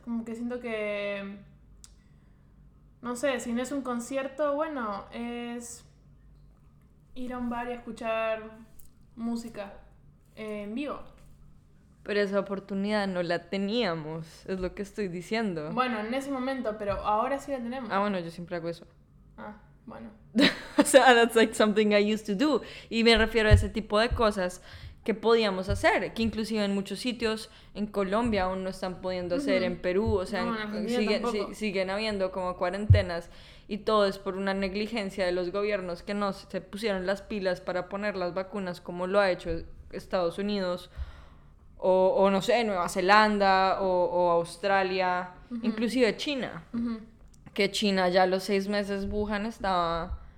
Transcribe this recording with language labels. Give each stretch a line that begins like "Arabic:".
Spanish: Como que siento que, no sé, si no es un concierto, bueno, es ir a un bar y escuchar música en vivo. Pero esa oportunidad no la teníamos, es lo que estoy diciendo. Bueno, en ese momento, pero ahora sí la tenemos. Ah, bueno, yo siempre hago eso. Ah, bueno. O sea,
English: that's like something I used to do.
Spanish: Y me refiero a ese tipo de cosas que podíamos hacer, que inclusive en muchos sitios, en Colombia aún no están pudiendo hacer, en Perú, o sea, siguen habiendo como cuarentenas, y todo es por una negligencia de los gobiernos que no se pusieron las pilas para poner las vacunas como lo ha hecho Estados Unidos, o no sé, Nueva Zelanda, o Australia, inclusive China, que China ya a los 6 meses Wuhan estaba